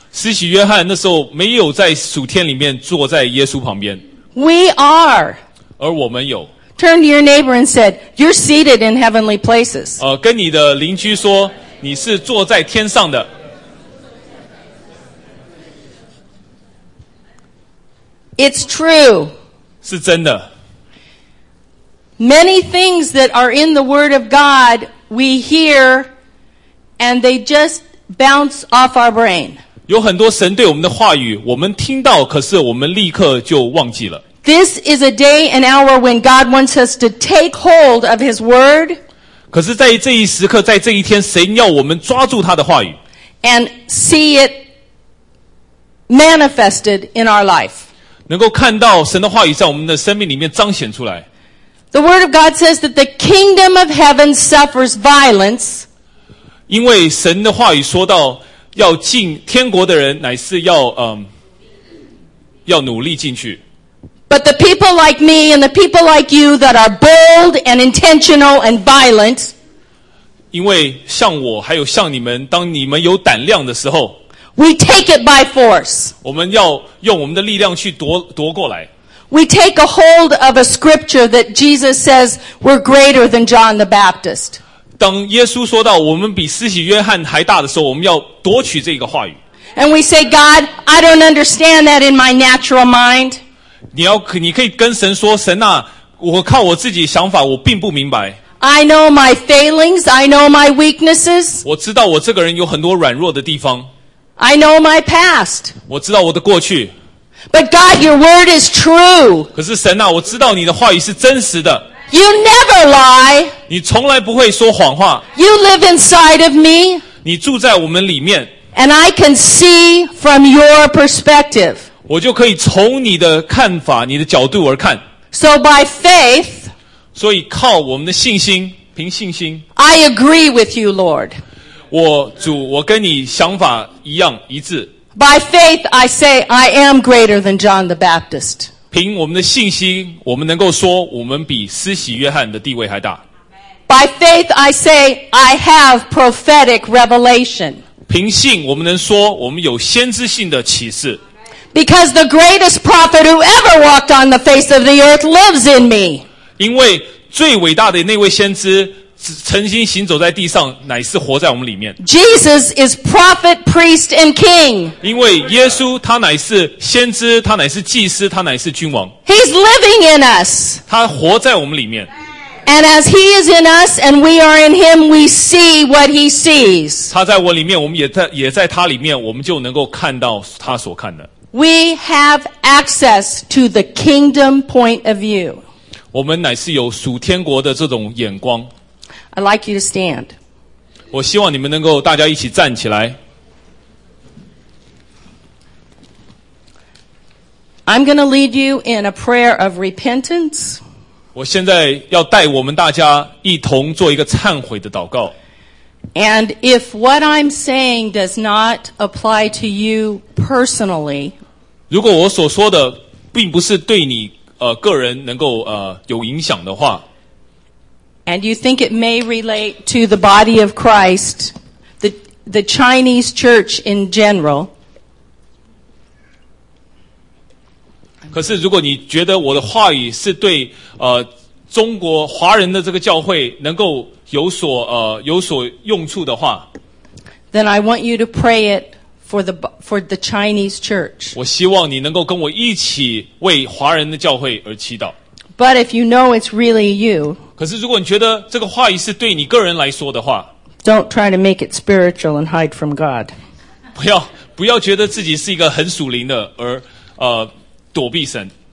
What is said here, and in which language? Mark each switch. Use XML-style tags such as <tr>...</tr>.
<zh>施洗约翰那时候没有在属天里面坐在耶稣旁边。</zh> <en>We are.</en> <zh>而我们有。</zh> <en>Turn to your neighbor and said, "You're seated in heavenly places."</en> <zh>跟你的邻居说，你是坐在天上的。</zh> <en>It's true.</en> <zh>是真的。</zh> <en>Many things that are in the Word of God we hear, and they just bounce off our brain.</en> <zh>有很多神对我们的话语，我们听到，可是我们立刻就忘记了。</zh> <en>This is a day and hour when God wants us to take hold of His Word.</en> <zh>可是在这一时刻，在这一天，神要我们抓住他的话语。</zh> <en>And see it manifested in our life.</en> <zh>能够看到神的话语在我们的生命里面彰显出来。</zh> <en>The Word of God says that the kingdom of heaven suffers violence.</en> <zh>因为神的话语说到，要进天国的人乃是要要努力进去。</zh> <en>But the people like me and the people like you that are bold and intentional and violent.</en> <zh>因为像我还有像你们，当你们有胆量的时候，</zh> <en>we take it by force.</en> <zh>我们要用我们的力量去夺过来。</zh> <en>We take a hold of a scripture that Jesus says we're greater than John the Baptist.</en> <zh>当耶稣说到我们比施洗约翰还大的时候，我们要夺取这个话语。</zh> <en>And we say, God, I don't understand that in my natural mind.</en> <zh>你可以跟神说，神啊，我靠我自己想法，我并不明白。</zh> <en>I know my failings, I know my weaknesses.</en> <zh>我知道我这个人有很多软弱的地方。</zh> <en>I know my past.</en> <zh>我知道我的过去。</zh> <en>But God, your word is true.</en> <zh>可是神啊，我知道你的话语是真实的。</zh> <en>You never lie.</en> <zh>你从来不会说谎话。</zh> <en>You live inside of me.</en> <zh>你住在我们里面。</zh> <en>And I can see from your perspective.</en> <zh>我就可以从你的看法，你的角度而看。</zh> <en>So by faith.</en> <zh>所以靠我们的信心，凭信心。</zh> <en>I agree with you, Lord.</en> <zh>我主，我跟你想法一样，一致。</zh> <en>By faith, I say, I am greater than John the Baptist.</en> <zh>凭我们的信心，我们能够说，我们比施洗约翰的地位还大。</zh> <en>By faith, I say, I have prophetic revelation.</en> <zh>凭信，我们能说，我们有先知性的启示。</zh> <en>Because the greatest prophet who ever walked on the face of the earth lives in me.</en> <zh>因为最伟大的那位先知曾经行走在地上，乃是活在我们里面。</zh> <en>Jesus is prophet, priest, and king.</en> <zh>因为耶稣他乃是先知，他乃是祭司，他乃是君王。</zh> <en>He's living in us.</en> <zh>他活在我们里面。</zh> <en>And as he is in us and we are in him, we see what he sees.</en> <zh>他在我里面，我们也在他里面，我们就能够看到他所看的。</zh> <en>We have access to the kingdom point of view.</en> <zh>我们乃是有属天国的这种眼光。</zh> <en>I'd like you to stand.</en> <zh>我希望你们能够大家一起站起来。</zh> <en>I'm going to lead you in a prayer of repentance.</en> <zh>我现在要带我们大家一同做一个忏悔的祷告。</zh> <en>And if what I'm saying does not apply to you personally,</en> <zh>如果我所说的并不是对你个人能够有影响的话。</zh> <en>And you think it may relate to the body of Christ, the Chinese church in general.</en> <zh>可是如果你觉得我的话语是对中国华人的这个教会能够有所用处的话，</zh> <en>then I want you to pray it for the Chinese church.</en> <zh>我希望你能够跟我一起为华人的教会而祈祷。</zh> <en>But if you know it's really you,</en> <zh>可是如果你觉得这个话语是对你个人来说的话，</zh> <en>Don't try to make it spiritual and hide from God.</en> <zh>不要觉得自己是一个很属灵的而躲避神。</zh>